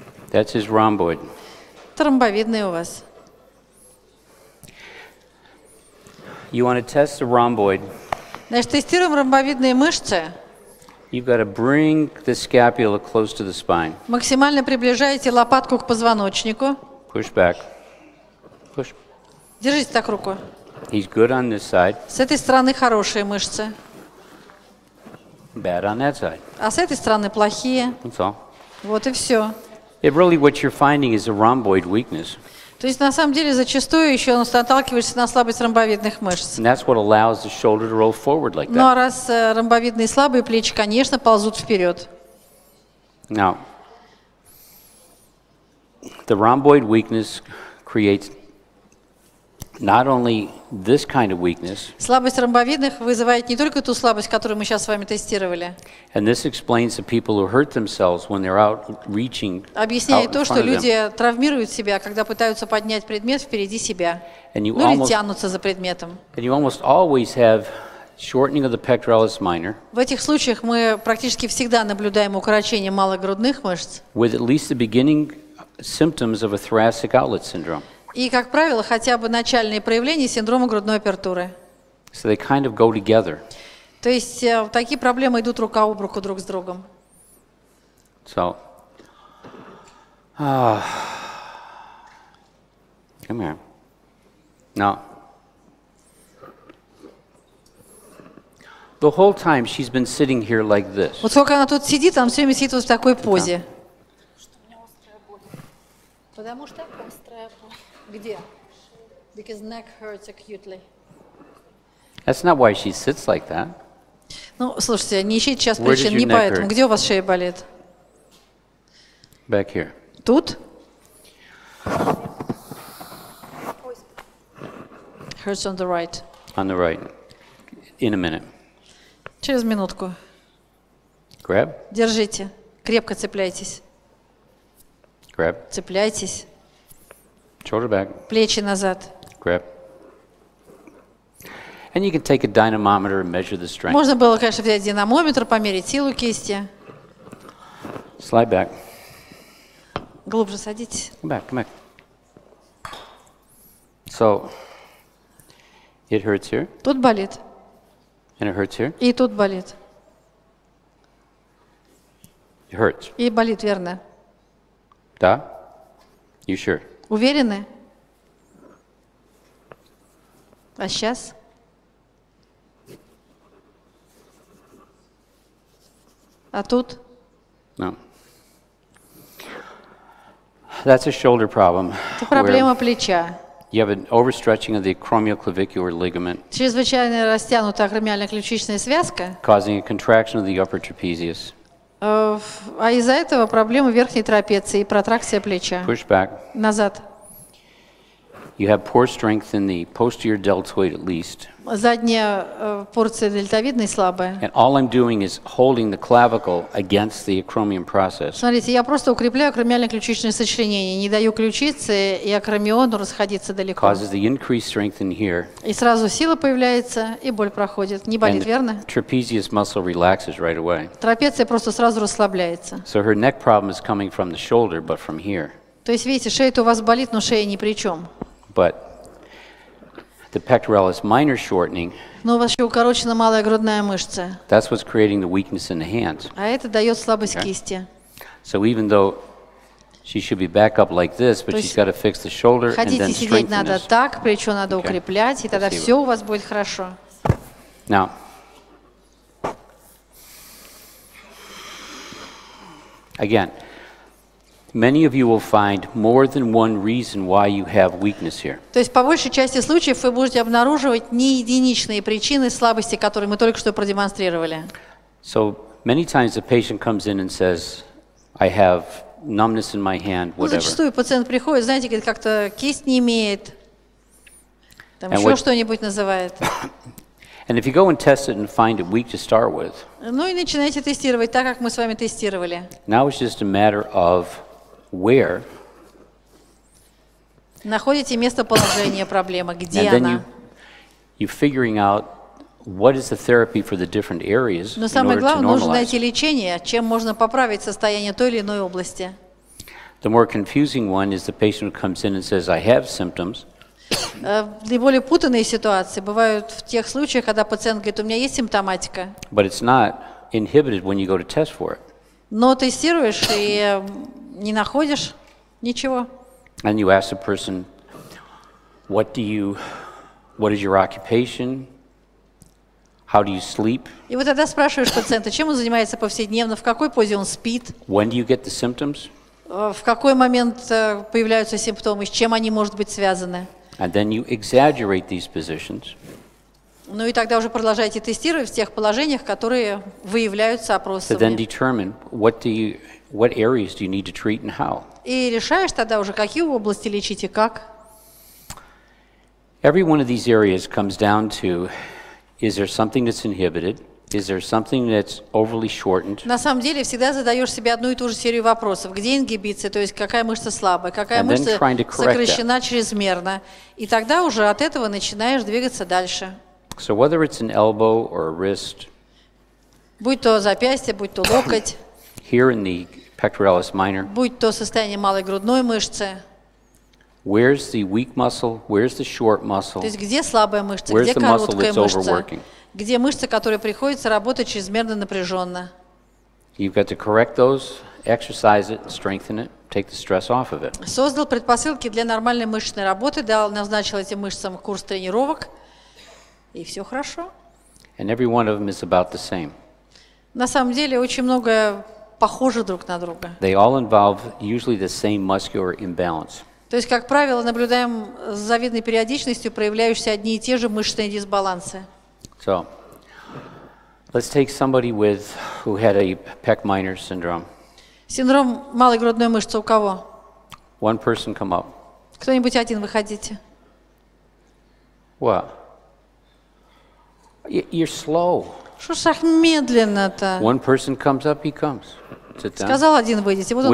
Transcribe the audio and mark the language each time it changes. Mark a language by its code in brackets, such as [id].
[en] That's his rhomboid. [ru] Тромбовидный у вас. [en] You want to test the rhomboid. [ru] Значит, тестируем ромбовидные мышцы. [en] You've got to bring the scapula close to the spine. [ru] Максимально приближаете лопатку к позвоночнику. [en] Push back. Push. [ru] Держите так руку. [en] He's good on this side. [ru] С этой стороны хорошие мышцы. [en] Bad on that side. [ru] А с этой стороны плохие. [en] That's all. [ru] Вот и все. [en] It really what you're finding is a rhomboid weakness. [ru] То есть на самом деле зачастую еще он сталкивается на слабость ромбовидных мышц. [en] And that's what allows the shoulder to roll forward like that. [ru] Ну а раз ромбовидные слабые плечи, конечно, ползут вперед. [en] Now, the rhomboid weakness creates not only this kind of weakness. [ru] Слабость ромбовидных вызывает не только ту слабость, которую мы сейчас с вами тестировали. [en] And this explains the people who hurt themselves when they're out reaching. [ru] Объясняет то, что люди травмируют себя, когда пытаются поднять предмет впереди себя. [en] And you almost [ru] тянутся за предметом. [en] And you almost always have shortening of the pectoralis minor. [ru] В этих случаях мы практически всегда наблюдаем укорочение малогрудных мышц. [en] With at least the beginning symptoms of a thoracic outlet syndrome. [ru] И, как правило, хотя бы начальные проявления синдрома грудной апертуры. [en] So they kind of go together. [ru] То есть такие проблемы идут рука об руку друг с другом. [en] So, come here. Now, the whole time she's been sitting here like this. [ru] Вот сколько она тут сидит, она все время сидит вот в такой позе. Что у меня острая боль? Потому что острая боль. Где? [en] Because neck hurts acutely. That's not why she sits like that. [ru] Ну, слушайте, не ищите сейчас причин, не поэтому. Где у вас шея болит? [en] Back here. [ru] Тут? [en] Hurts on the right. On the right. In a minute. [ru] Через минутку. [en] Grab. [ru] Держите. Крепко цепляйтесь. [en] Grab. [ru] Цепляйтесь. [en] Shoulder back. [ru] Плечи назад. [en] Grab. And you can take a dynamometer and measure the strength. [ru] Можно было, конечно, взять динамометр, померить силу кисти. [en] Slide back. [ru] Глубже садитесь. [en] Come back, come back. So, it hurts here. [ru] Тут болит. [en] And it hurts here. [ru] И тут болит. [en] It hurts. [ru] И болит, верно? Да? [en] You sure? [ru] Уверены? А сейчас? А тут? [en] No. That's a shoulder problem. [ru] Это проблема плеча. [en] You have an overstretching of the acromioclavicular ligament. [ru] Чрезвычайно растянута акромиально-ключичная связка. [en] Causing a contraction of the upper trapezius. [ru] А из-за этого проблема верхней трапеции и протракция плеча. [en] Push back. [ru] Назад. [en] You have poor strength in the posterior deltoid at least. [ru] Задняя порция дельтовидной слабая. [en] And all I'm doing is holding the clavicle against the acromion process. [ru] Смотрите, я просто укрепляю акромиально-ключичное сочленение, не даю ключице и акромиону расходиться далеко. [en] Causes the increased strength in here. [ru] И сразу сила появляется, и боль проходит. Не болит, [en] and [ru] верно? [en] Trapezius muscle relaxes right away. [ru] Трапеция просто сразу расслабляется. [en] So her neck problem is coming from the shoulder, but from here. [ru] То есть, видите, шея-то у вас болит, но шея ни при чем. [en] But the pectoralis minor shortening. [ru] Но у вас еще укорочена малая грудная мышца. [en] That's what's creating the weakness in the hands. [ru] А это дает слабость кисти. [en] So even though she should be back up like this, but she's got to fix the shoulder and then strengthen this. [ru] Хотите сидеть надо так, плечо надо укреплять, и тогда все у вас будет хорошо. [en] Now. Again. Many of you will find more than one reason why you have weakness here. [ru] То есть по большей части случаев вы будете обнаруживать не единичные причины слабости, которые мы только что продемонстрировали. [en] So many times a patient comes in and says, "I have numbness in my hand, whatever." [ru] Зачастую пациент приходит, знаете, говорит, как-то кисть не имеет, там еще что-нибудь называет. [en] And if you go and test it and find it weak to start with. [ru] Ну и начинаете тестировать, так как мы с вами тестировали. [en] Now it's just a matter of where? [ru] Находите местоположение проблемы, где [en] and then [ru] она? [en] You're figuring out what is the therapy for the different areas. [ru] Но самое главное, нужно найти лечение, чем можно поправить состояние той или иной области. [en] The more confusing one is the patient who comes in and says, I have symptoms. [ru] Наиболее путанные ситуации бывают в тех случаях, когда пациент говорит, у меня есть симптоматика. [en] But it's not inhibited when you go to test for it. [ru] Но тестируешь и не находишь ничего. [en] And you ask the person, what do you, what is your occupation? How do you sleep? [ru] И вот тогда спрашиваешь пациента, чем он занимается повседневно, в какой позе он спит? [en] When do you get the symptoms? [ru] В какой момент появляются симптомы, с чем они, может быть, связаны? [en] And then you exaggerate these positions. [ru] Ну и тогда уже продолжаете тестировать в тех положениях, которые выявляются опросами. [en] To then determine what areas do you need to treat and how. [ru] И решаешь тогда уже, какие области лечить и как. [en] Every one of these areas comes down to, is there something that's inhibited? Is there something that's overly shortened? [ru] На самом деле всегда задаешь себе одну и ту же серию вопросов. Где ингибиция, то есть какая мышца слабая, какая мышца сокращена чрезмерно. И тогда уже от этого начинаешь двигаться дальше. [en] So whether it's an elbow or a wrist, [ru] будь то запястье, будь то локоть, [en] here in the pectoralis minor, [ru] будь то состояние малой грудной мышцы, [en] where's the weak muscle, where's the short muscle, [ru] то есть где слабая мышца, [en] where's [ru] где [en] the [ru] короткая [en] muscle that's [ru] мышца, [en] overworking. [ru] Где мышцы, которые приходится работать чрезмерно напряженно. [en] You've got to correct those, exercise it, strengthen it, take the stress off of it. [ru] Создал предпосылки для нормальной мышечной работы, дал, назначил этим мышцам курс тренировок, и все хорошо. [en] And every one of them is about the same. [ru] На самом деле очень многое похоже друг на друга. [en] They all involve usually the same muscular imbalance. [ru] То есть, как правило, наблюдаем с завидной периодичностью проявляющиеся одни и те же мышечные дисбалансы. [en] So, let's take somebody with who had a pec minor syndrome. [ru] Синдром малой грудной мышцы у кого? [en] One person come up. [ru] Кто-нибудь один выходите. [en] What? You're slow. [ru] Что ж так медленно-то? [en] One person comes up, he comes. [ru] Сказал один выйдите, вот он